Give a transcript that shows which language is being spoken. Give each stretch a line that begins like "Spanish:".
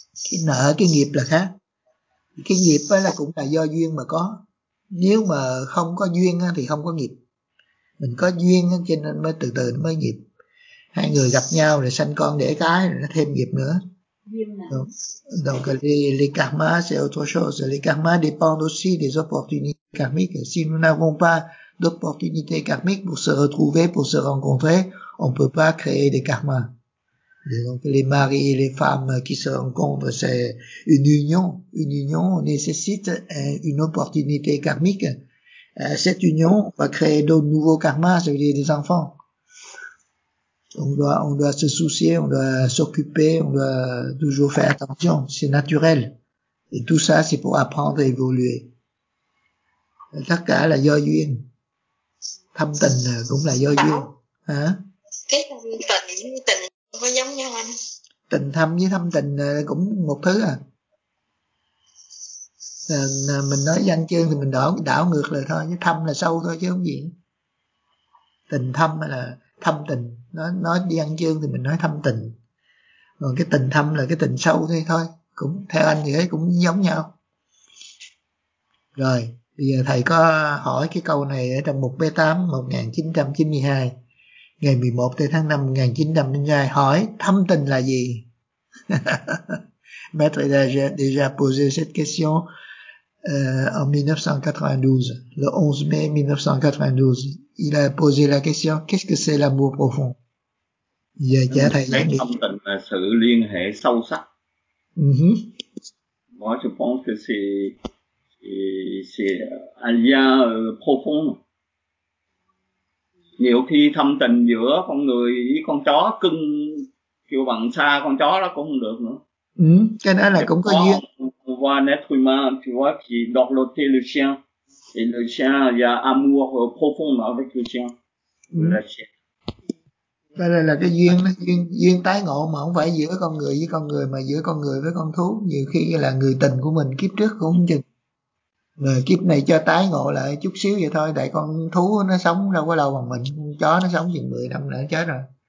Vietnamese: Cái nợ, cái nghiệp là khác. Cái nghiệp là cũng là do duyên mà có. Nếu mà không có duyên thì không có nghiệp. Mình có duyên cho nên mới từ từ nó mới nghiệp. Hai người gặp nhau rồi sanh con đẻ cái rồi nó thêm nghiệp nữa.
French: Donc les karmas c'est autre chose. Les karmas dépendent aussi des opportunités karmiques. Si nous n'avons pas d'opportunités karmiques pour se retrouver, pour se rencontrer, on peut pas créer des karmas. Donc les maris et les femmes qui se rencontrent, c'est une union. Une union nécessite une opportunité karmique. Cette union va créer d'autres nouveaux karmas, ça veut dire des enfants. On doit se soucier, on doit s'occuper, on doit toujours faire attention. C'est naturel. Et tout ça, c'est pour apprendre et évoluer.
Vietnamese: Tất cả là do duyên. Thâm tình cũng là do duyên. Tình thâm với thâm tình cũng một thứ à. Mình nói danh chương thì mình đảo ngược lại thôi. Chứ thâm là sâu thôi chứ không gì. Tình thâm là thâm tình. Nói danh chương thì mình nói thâm tình. Còn cái tình thâm là cái tình sâu thôi, cũng theo anh thì ấy cũng giống nhau. Rồi, bây giờ thầy có hỏi cái câu này ở trong mục B8 1992 ngày 11 tháng 5 1992, hỏi thâm tình là gì?
French: Maître a déjà posé cette question en 1992, le 11 mai 1992. Il a posé la question, qu'est-ce que c'est l'amour profond?
Vietnamese: Giờ trả thầy giải đi. Thâm tình là sự liên hệ sâu sắc.
French: Moi, je pense que c'est un lien profond.
Vietnamese: Nhiều khi thâm tình giữa con người với con chó cưng kiểu bằng xa con chó đó cũng không được nữa. Ừ, cái đó là cũng có duyên.
French: On voit un être humain, tu vois, qui dorloter le chien. Et le chien, il y a amour profond avec le chien.
Vietnamese: Cái này là cái duyên, duyên tái ngộ mà không phải giữa con người với con người, mà giữa con người với con thú. Nhiều khi là người tình của mình kiếp trước cũng chừng. Rồi kiếp này cho tái ngộ lại chút xíu vậy thôi. Tại con thú nó sống đâu có lâu bằng mình. Con chó nó sống chừng 10 năm nữa chết rồi.